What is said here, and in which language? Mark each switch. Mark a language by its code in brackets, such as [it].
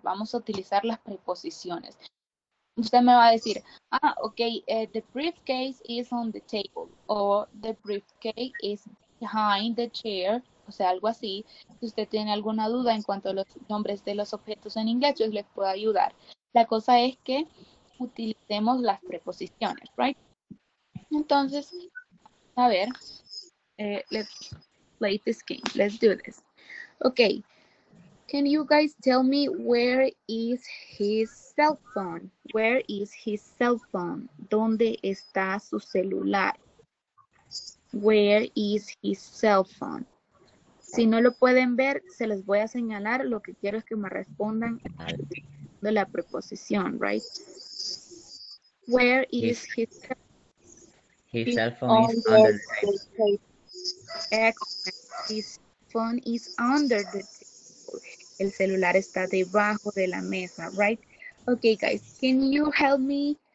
[es] Vamos a utilizar las preposiciones. Usted me va a decir, ah, ok, [en] the briefcase is on the table, [es] o [en] the briefcase is behind the chair, [es] o sea, algo así. Si usted tiene alguna duda en cuanto a los nombres de los objetos en inglés, yo les puedo ayudar. La cosa es que utilicemos las preposiciones, right? Entonces, a ver, [en] let's play this game, let's do this. Okay, can you guys tell me where is his cell phone? Where is his cell phone? [es] ¿Dónde está su celular? [en] Where is his cell phone? [es] Si no lo pueden ver, se les voy a señalar. Lo que quiero es que me respondan de la preposición, right? [en] Where is his cell phone is under the table. [es] El celular está debajo de la mesa, right? [en] Okay, guys, can you help me?